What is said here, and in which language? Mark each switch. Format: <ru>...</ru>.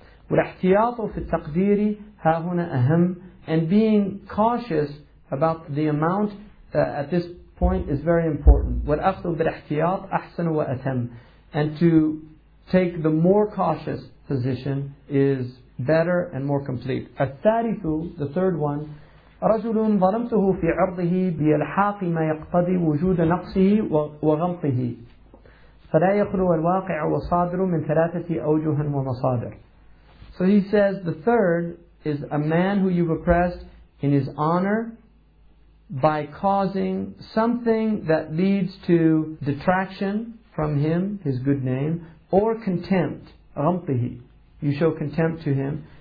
<ar>وَالْاحْتِيَاطُ فِي التَّقْدِيرِ هَا هُنَا أَهَمْ.</ar> <en>And being cautious about the amount at this point is very important.</en> <ar>وَالْأَخْذُ بِالْاحْتِيَاطِ أَحْسَنُ وَأَتَمْ.</ar> <en>And to take the more cautious position is better and more complete.</en> <ar>الثالثُ,</ar> <en>the third one,</en> <ar>رَجُلٌ ظَلَمْتُهُ فِي عَرْضِهِ بِيَلْحَاقِ مَا يَقْتَضِي وُجُودَ نَقْصِهِ وَغَمْطِهِ فَلَا يَخْلُوَ الْوَاقِعُ وَصَادِرُ مِنْ ثَلَاثَةِ أَوْجُهًا وَمَصَادِرُ.</ar> <en>So he says the third is a man who you've oppressed in his honor by causing something that leads to detraction from him, his good name, or contempt, غَمْطِهِ. You show contempt to him.</en>